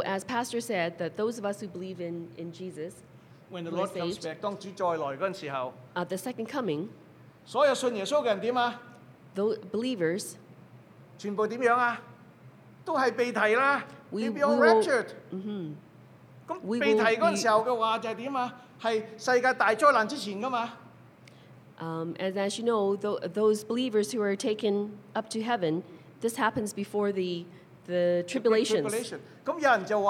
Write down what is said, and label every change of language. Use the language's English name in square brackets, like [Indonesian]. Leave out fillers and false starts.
[English] as Pastor said, that those of us who believe in Jesus, when the Lord comes back, [Chinese] 当主再来的时候, [English] at the second coming, [Chinese] 所有信耶稣的人怎样啊? [English] Those believers, [Chinese] 全部怎样啊?都是被提啦, [English] we will be all raptured. Mm-hmm. [Chinese] 被提的时候的话就是怎样啊? [English] And as you know, those believers who are taken up to heaven, this happens before the tribulations.